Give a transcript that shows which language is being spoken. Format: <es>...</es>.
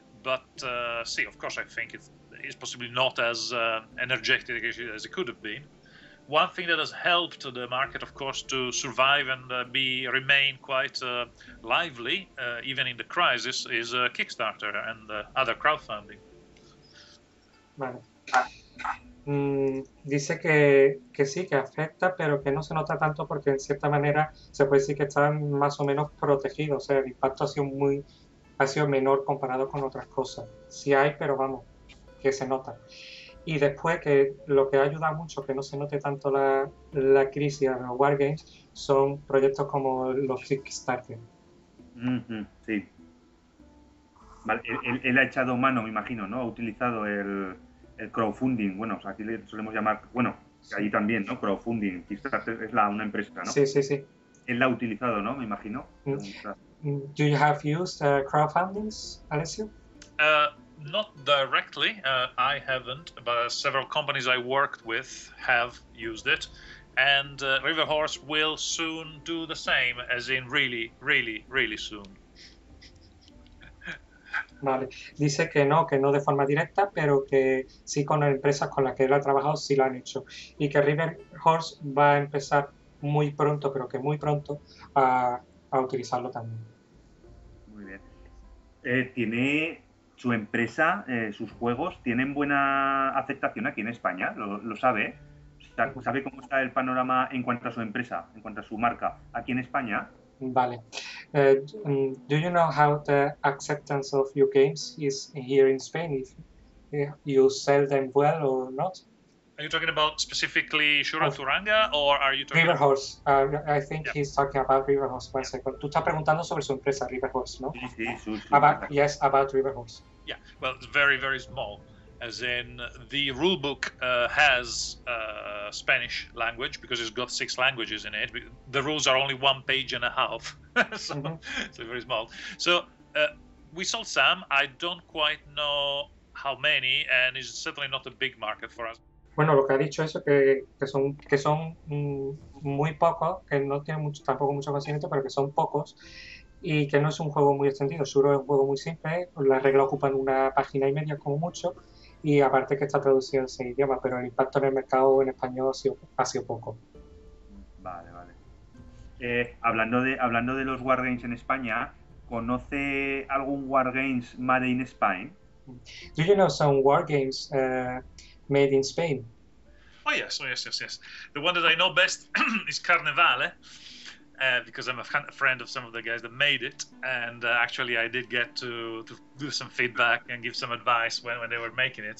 <en>But see, of course, I think it's possibly not as energetic as it could have been. one thing that has helped the market, of course, to survive and remain quite lively, even in the crisis, is Kickstarter and other crowdfunding.</en> <es>Vale. Dice que sí, que afecta, pero que no se nota tanto porque en cierta manera se puede decir que están más o menos protegidos. O sea, el impacto ha sido menor comparado con otras cosas. Sí hay, pero vamos, que se nota. Y después, que lo que ha ayudado mucho que no se note tanto la crisis de los Wargames son proyectos como los Kickstarter. Mm-hmm, sí. Vale, él ha echado mano, me imagino, ¿no? Ha utilizado el crowdfunding, bueno, o sea, aquí le solemos llamar, bueno, sí. Allí también, ¿no? Crowdfunding, Kickstarter es una empresa, ¿no? Sí, sí, sí. Él la ha utilizado, ¿no? Me imagino.</es> <en>Do you have used crowdfundings, Alessio? Not directly, I haven't, but several companies I worked with have used it, and River Horse will soon do the same, as in really, really, really soon.</en> <es>Vale, dice que no de forma directa, pero que sí con empresas con las que él ha trabajado sí lo han hecho, y que River Horse va a empezar muy pronto, pero que muy pronto, a utilizarlo también. Muy bien. ¿Tiene su empresa, sus juegos, tienen buena aceptación aquí en España? ¿Lo sabe? ¿Sabe cómo está el panorama en cuanto a su empresa, en cuanto a su marca aquí en España? Vale.</es> <en>Do you know how the acceptance of your games is here in Spain? If you sell them well or not? Are you talking about specifically Shura Turanga or are you talking River Horse? I think he's talking about River Horse. One second.</en> <es>Tú estás preguntando sobre su empresa, River Horse, ¿no? Sí.</es> <en>About River Horse. Yeah. Well, it's very, very small. As in, the rulebook has Spanish language because it's got six languages in it. The rules are only one page and a half, so, mm-hmm. so very small. So we sold some. I don't quite know how many, and it's certainly not a big market for us.</en> <es>Bueno, lo que ha dicho eso que son muy pocos, que no tienen mucho, tampoco mucho conocimiento, pero que son pocos. Y que no es un juego muy extendido. Shura es un juego muy simple. Las reglas ocupan una página y media como mucho. Y aparte que está traducido en 6 idiomas, pero el impacto en el mercado en español ha sido poco. Vale, vale. Hablando de los wargames en España, ¿conoce algún wargames</es> <en>made in Spain? Do you know some wargames made in Spain? Oh yes, oh yes, yes, yes. The one that I know best is Carnevale. Because I'm a friend of some of the guys that made it, and actually I did get to do some feedback and give some advice when they were making it.</en>